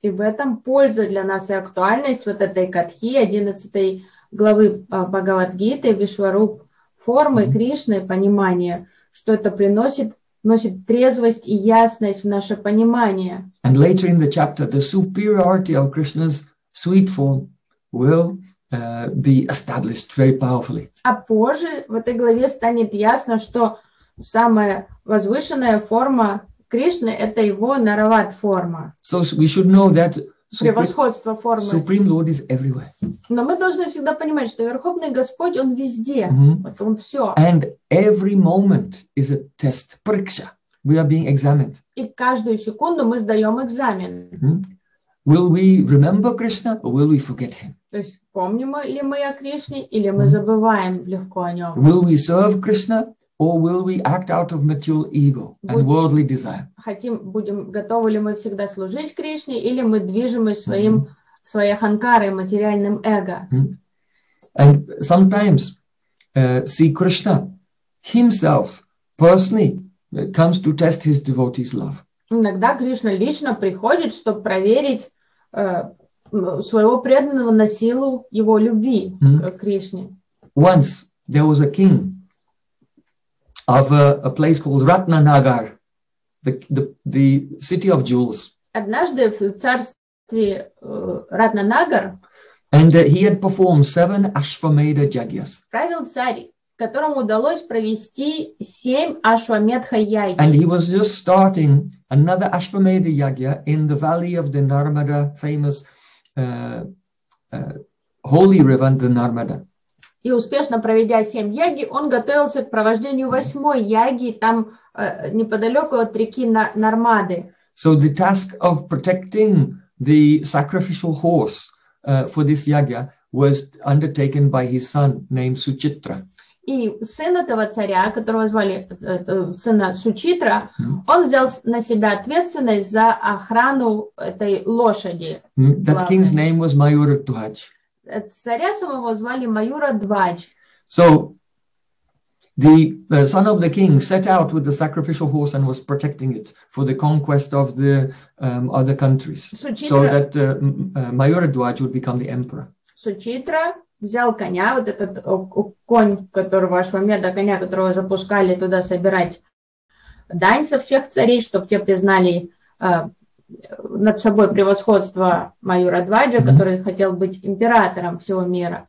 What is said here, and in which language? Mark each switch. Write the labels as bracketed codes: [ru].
[ru] И в этом польза для нас и актуальность вот этой катхи 11 главы Бхагавад Гиты Вишваруп формы mm-hmm. Кришны понимание, что это приносит носит трезвость и ясность в наше понимание. [en] And later in the chapter, the superiority of Krishna's sweet form will be established very powerfully. [ru] А позже в этой главе станет ясно, что самая возвышенная форма Кришны – это его нарават форма. [en] So we should know that [ru] превосходство формы. [en] Supreme Lord is everywhere. [ru] Но мы должны всегда понимать, что Верховный Господь, Он везде. Mm-hmm. Вот Он все. [en] And every moment is a test, прикша. We are being examined. [ru] И каждую секунду мы сдаем экзамен. [en] Mm-hmm. Will we remember Krishna or will we forget Him? [ru] То есть помним ли мы о Кришне или мы забываем легко о нем? [en] Will we serve Krishna or will we act out of material ego and worldly desire? [ru] Хотим, будем, готовы ли мы всегда служить Кришне или мы движимы своим своей аханкарой, материальным эго? [en] And sometimes see Krishna himself personally comes to test his devotees' love. [ru] Иногда Кришна лично приходит, чтобы проверить своего преданного на силу его любви к Кришне. [en] Once there was a king of a place called Ratnanagar, the city of jewels. [ru] Однажды в царстве Ратнанагар. [en] And he had performed 7 Ашвамедха Яджнас. [ru] Правил царь, которому удалось провести 7 Ашвамедха Яджна. [en] And he was just starting another Ашвамедха Яджна in the valley of the Нармада, famous holy river, the Нармада. [ru] И успешно проведя 7 яги, он готовился к провождению 8 яги там неподалеку от реки Нармады. [en] So the task of protecting the sacrificial horse for this yagya was undertaken by his son named Suchitra. [ru] И сын этого царя, которого звали сына Сучитра, он взял на себя ответственность за охрану этой лошади. [en] That king's name was Mayura Dwaj. [ru] Царя самого звали Майура Двадж. [en] So the son of the king set out with the sacrificial horse and was protecting it for the conquest of the other countries, Suchitra, so that Mayura Dwaj would become the emperor. [ru] Suchitra взял коня, вот этот конь, которого Ашвамеда, коня, которого запускали туда собирать дань со всех царей, чтобы те признали над собой превосходство Майура Дваджа, который хотел быть императором всего мира.